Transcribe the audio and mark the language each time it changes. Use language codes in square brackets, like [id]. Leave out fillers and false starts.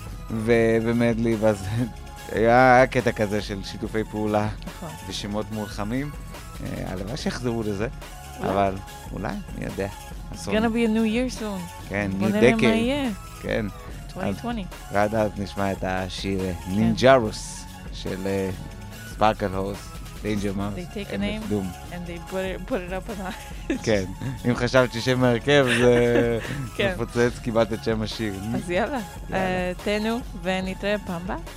[he] ובאמת לי, אז היה קטע כזה של שיתופי פעולה ושמות מולחמים. הלוואי שיחזרו לזה, אבל אולי, מי יודע. [en] It's gonna be a new year soon. [he] כן, [en] new decade. [he] מה יהיה? כן. 2020. ועד אז נשמע את השיר נינג'רוס של ספארקל הורס, דיינג'ר מאוס. [en] They take a name and they put it up on us. [he] כן, אם חשבת ששם הרכב זה מפוצץ, קיבלת את שם השיר. אז יאללה, תנו ונתראה פעם בה.